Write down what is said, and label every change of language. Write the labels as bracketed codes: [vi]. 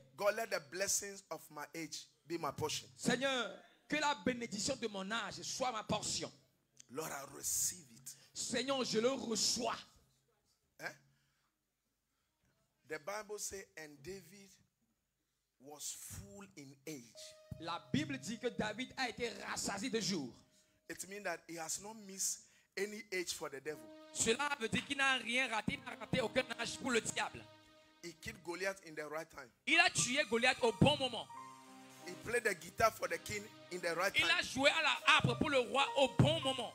[en] God, let the blessings of my age be my portion. [fr] Seigneur, que la bénédiction de mon âge soit ma portion. [en] Lord, I receive it. [fr] Seigneur, je le reçois. Hein? [en] The Bible says, and David was full in age. [fr] La Bible dit que David a été rassasié de jours. [en] It means that he has not missed any age for the devil. [fr] Cela veut dire qu'il n'a rien raté, il n'a raté aucun âge pour le diable. [en] He killed Goliath in the right time. [fr] Il a tué Goliath au bon moment. [en] He played the guitar for the king in the right [fr] il [en] time. [fr] Il a joué à la harpe pour le roi au bon moment.